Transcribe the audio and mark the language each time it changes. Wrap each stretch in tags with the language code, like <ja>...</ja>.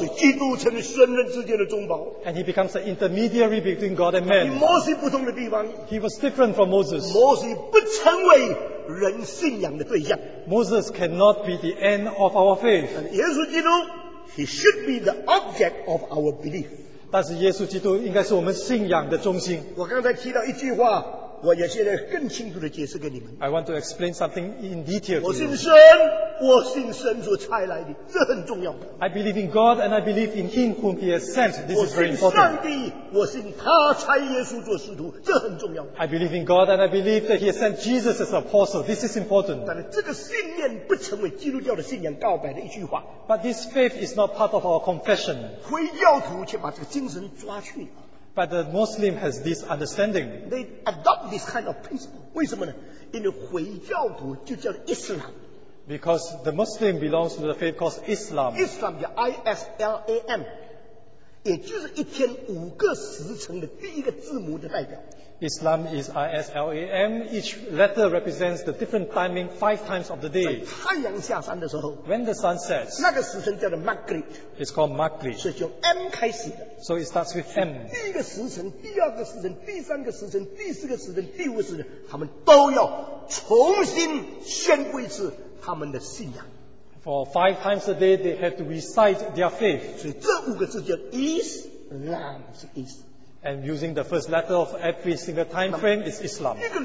<en>And he becomes an intermediary between God and man. He was different from Moses. Moses cannot be the end of our faith. And 耶稣基督, he should be the object of our belief.</en> <zh>但是耶稣基督应该是我们信仰的中心。我刚才提到一句话。我有些更清楚的解释给你们。</zh> <en>I want to explain something in detail.</en> <zh>我信神，我信神所差来的，这很重要。</zh> <en>I believe in God and I believe in Him whom He has sent. This is very important.</en> <zh>我信上帝，我信他差耶稣做使徒，这很重要。</zh> <en>I believe in God and I believe that He has sent Jesus as apostle. This is important.</en> <zh>但是这个信念不成为基督教的信仰告白的一句话。</zh> <en>But this faith is not part of our confession.</en> <zh>回教徒却把这个精神抓去。</zh> <en>But the Muslim has this understanding. They adopt this kind of principle.</en> <zh>为什么呢?</zh> <en>In the</en> <zh>回教徒就叫</zh> <en>Islam. Because the Muslim belongs to the faith called Islam. Islam, I-S-L-A-M.</en> <zh>也就是一天五个时辰的第一个字母的代表。</zh> <en>Islam is I-S-L-A-M. Each letter represents the different timing, 5 times of the day.</en> <zh>在太阳下山的时候,</zh> <en>when the sun sets,</en> <zh>那个时辰叫做 Maghrib,</zh> <en>it's called Maghrib.</en> <zh>是用 M 开始的,</zh> <en>so it starts with M.</en> <zh>第一个时辰, 第二个时辰, 第三个时辰, 第四个时辰, 第五个时辰, 他们都要重新宣布一次。</zh> <en>For 5 times a day, they have to recite their faith.</en> <zh>所以这五个字叫 Islam 是 Islam.</zh> <en>And using the first letter of every single time frame is Islam.</en>